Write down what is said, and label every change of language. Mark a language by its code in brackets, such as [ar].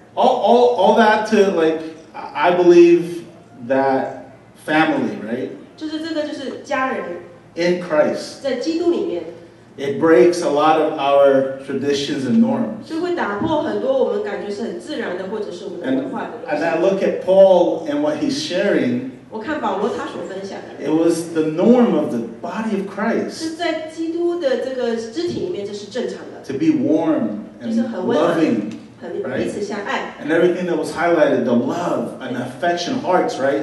[en] All that to, like, I believe that family, right? [zh] 就是这个就是家人, [en] in Christ, [zh] 在基督里面, [en] it breaks a lot of our traditions and norms. [zh] 就会打破很多我们感觉是很自然的或者是我们的文化的东西。 [en] And I look at Paul and what he's sharing. It was the norm of the body of Christ. To be warm and loving. Right? And everything that was highlighted, the love and affection, hearts, right?